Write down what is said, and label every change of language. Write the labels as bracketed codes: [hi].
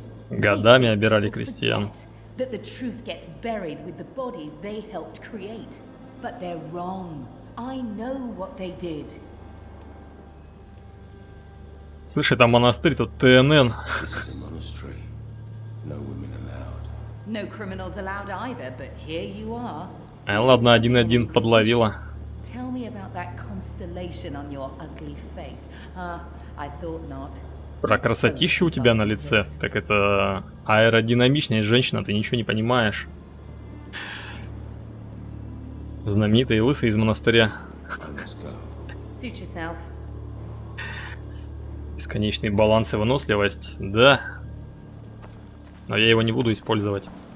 [ru] Годами обирали крестьян. [en] That the truth gets buried with the bodies they helped create. But they're wrong. I know what they did. [ru] Слышь, это монастырь, тут ТНН. [en] This is a monastery. No women allowed. No criminals allowed either, but here you are. [ru] А, ладно, один-один подловила. [en] Tell me about that constellation on your ugly face. I thought not. [ru] Про красотищу у тебя на лице, так это аэродинамичная женщина, ты ничего не понимаешь. Знаменитый лысый из монастыря. Бесконечный баланс и выносливость, да. Но я его не буду использовать.